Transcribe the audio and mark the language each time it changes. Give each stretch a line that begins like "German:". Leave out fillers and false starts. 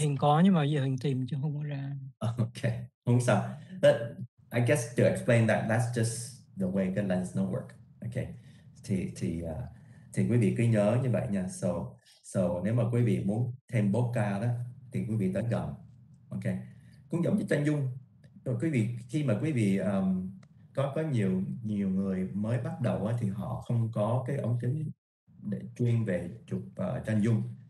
Vietnamese: Hiện có nhưng mà giờ hình tìm chứ không có ra.
English: just ok,
Vietnamese: không sao.
English: But I guess to explain that, that's just the way the lens no work.
Vietnamese: Ok, thì quý vị cứ nhớ như vậy nha. So nếu mà quý vị muốn thêm bokeh đó thì quý vị tới gần. Ok, cũng giống như chân dung. Rồi quý vị, khi mà quý vị có nhiều nhiều người mới bắt đầu á, thì họ không có cái ống kính để chuyên về chụp chân dung.